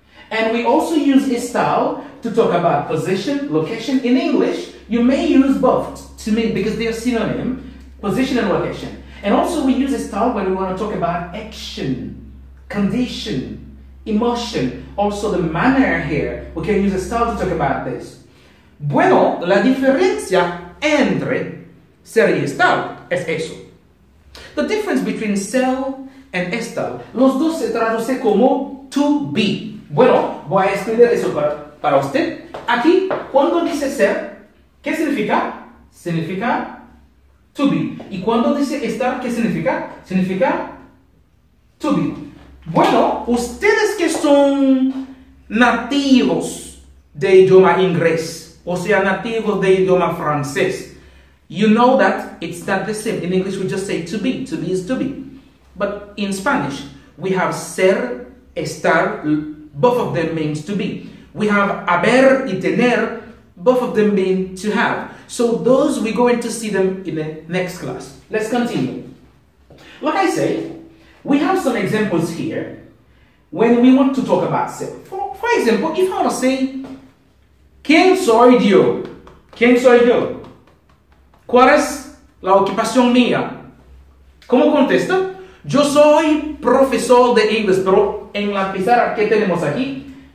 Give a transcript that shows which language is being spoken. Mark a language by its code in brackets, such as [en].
[en] And we also use estar to talk about position, location. In English, you may use both to mean, because they are synonym, position and location. And also we use estar when we want to talk about action, condition, emotion, also the manner here. We can use estar to talk about this. [es] Bueno, la diferencia entre ser y estar es eso. [en] The difference between ser and estar, [es] los dos se traduce como [en] to be. [es] Bueno, voy a escribir eso para usted. Aquí, cuando dice ser, ¿qué significa? Significa to be. Y cuando dice estar, ¿qué significa? Significa to be. Bueno, ustedes que son nativos de idioma inglés, o sea, nativos de idioma francés, [en] you know that it's not the same. In English, we just say to be. To be is to be. But in Spanish, we have ser, estar, both of them means to be. We have haber y tener, both of them mean to have. So those, we're going to see them in the next class. Let's continue. Like I say, we have some examples here when we want to talk about self. For example, if I want to say, [es] ¿Quién soy yo? ¿Quién soy yo? ¿Cuál es la ocupación mía? ¿Cómo contesto? Yo soy profesor de inglés, pero en la pizarra, ¿qué tenemos aquí?